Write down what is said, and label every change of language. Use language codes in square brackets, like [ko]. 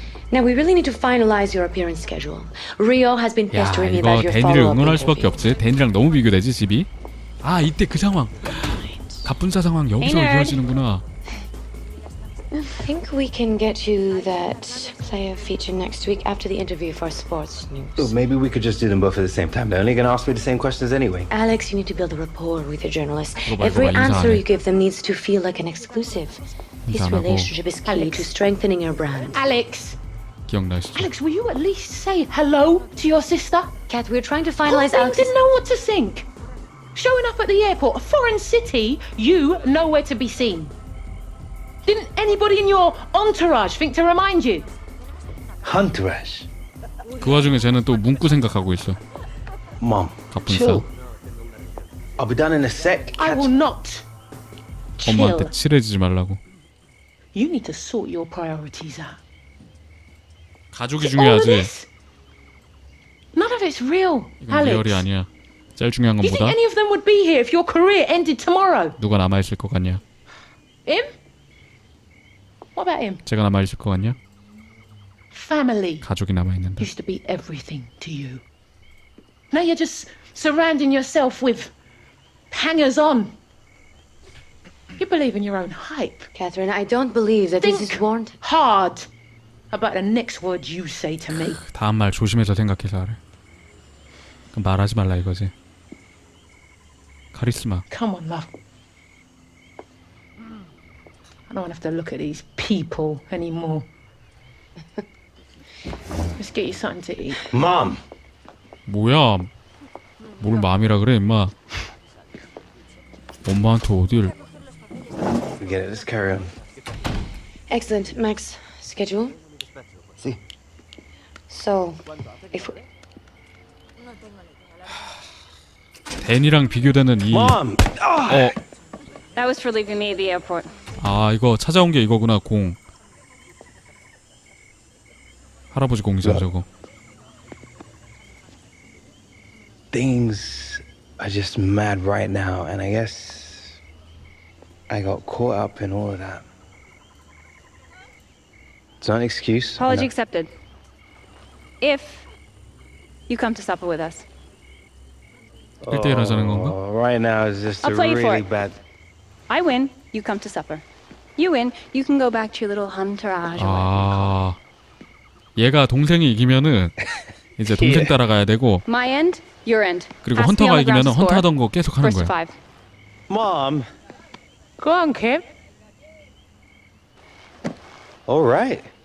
[en] Now we really need to finalize your appearance schedule. Rio has been pestering me about your follow-up. [ko] 야, 이거 데니를 응원할 수밖에 없지. 데니랑 너무 비교되지, 집이. 아, 이때 그 상황. 갑분사 상황 여기서 이어지는구나. [en] I think we can get you that player feature next week after the interview for sports news. Oh, maybe we could just do them both at the same time. They're only gonna ask me the same questions anyway. Alex, you need to build a rapport with the journalists. Every answer you give them needs to feel like an exclusive. This relationship is key to strengthening your brand. Alex. [ko] 기억나시죠? [en] Alex, will you at least say hello to your sister? Kat, we're trying to finalize. Alex didn't know what to think. Showing up at the airport, a foreign city, you nowhere to be seen. Didn't anybody in your entourage think to remind you? Entourage. [ko] 그 와중에 쟤는 또 문구 생각하고 있어. [en] Mom. [ko] 갑분사. [en] Chill. I'll be done in a sec. I will not. [ko] 엄마한테 칠해지지 말라고. [en] You need to sort your priorities out. [ko] 가족이 중요하지. [en] None of it's real, Alex. [ko] 리얼이 아니야. 제일 중요한 건보다 [en] Do you think any of them would be here if your career ended tomorrow? [ko] 누가 남아 있을 것 같냐? [en] Him? What about him? [ko] 제가 남아 있을 것 같냐? [en] Family. [ko] 가족이 남아 있는데. [en] Used to be everything to you. Now you're just surrounding yourself with hangers-on. You believe in your own hype, Catherine. I don't believe that think this is warranted. Hard about the next word you say to me. [ko] 다음 말 조심해서 생각해서 하래. 그럼 말하지 말라 이거지. 카리스마. [en] Come on, love. I don't have to look at these people anymore. Let's get you something to eat. Mom. [ko] 뭐야? 뭘 마음이라 그래, 임마. 엄마한테 어딜? [en] Forget it. Let's carry on. Excellent, Max. Schedule. Si. So, if we... [ko] 데니랑 비교되는 이 어. [en] That was for leaving me at the airport. [ko] 아, 이거 찾아온 게 이거구나, 공. 할아버지 공이죠, 저거. [en] Things are just mad right now and I guess I got caught up in all of that. It's not an excuse. Apology accepted. If you come to supper with us. [ko] 1대1 하자는 건가? [en] Right now is just a really bad. I win. You come to supper. You win. You can go back to your little entourage. [ko] 아, 얘가 동생이 이기면은 이제 동생 따라가야 되고. [en] My end, your end. [ko] 그리고 헌터가 이기면은 헌터 하던 거 계속 하는 거야. [en] Mom. Go on, Kim. All right.